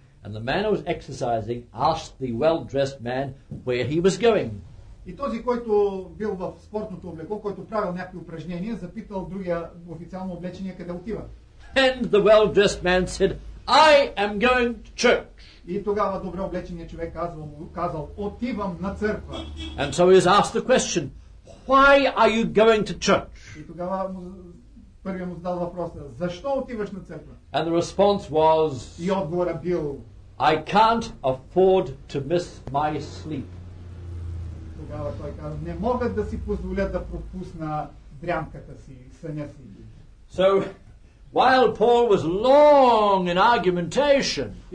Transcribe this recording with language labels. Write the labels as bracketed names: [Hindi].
[English] And the man who was exercising asked the well-dressed man where he was going. [Bulgarian] И този, който бил в спортното облекло, който правил някакви упражнения, запитал другия официално облечения къде отива. [English] And the well-dressed man said, I am going to church. [Bulgarian] И тогава добре облеченият човек казал, отивам на църква. [English] And so he was asked the question, why are you going to church? [Bulgarian] И тогава първият му задал въпроса, защо отиваш на църква? [English] And the response was, [Bulgarian] и отговорът бил, [English] I can't afford to miss my sleep. [Bulgarian] Тогава той каза, не мога да си позволя да пропусна дрямката си, съня си. [English] So, while Paul was long in argumentation,